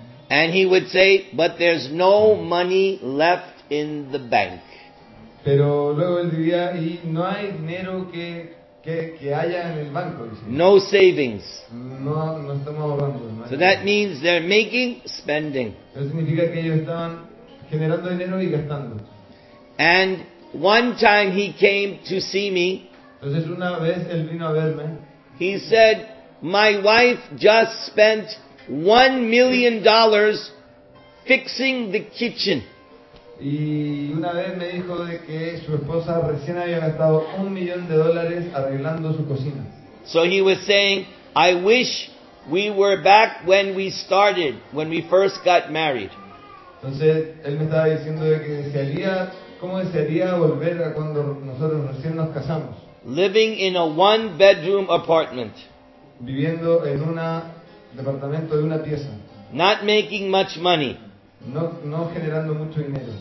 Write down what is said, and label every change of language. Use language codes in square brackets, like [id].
[en] And he would say, but there's no money left in the bank. [es] Pero luego él diría, y no hay dinero que haya en el banco. Dice. [en] No savings. [es] No estamos ahorrando. No [en] so that means they're making, spending. [es] Eso significa que ellos estaban generando dinero y gastando. [en] And one time he came to see me. [es] Entonces una vez él vino a verme. [en] He said, my wife just spent $1,000,000 fixing the kitchen. [es] Y una vez me dijo de que su esposa recién había gastado $1,000,000 arreglando su cocina. [en] So he was saying, I wish we were back when we started, when we first got married. [es] Entonces él me estaba diciendo de que desearía, cómo desearía volver a cuando nosotros recién nos casamos. [en] Living in a one bedroom apartment. [es] Viviendo en un departamento de una pieza. [en] Not making much money. [es] No generando mucho dinero.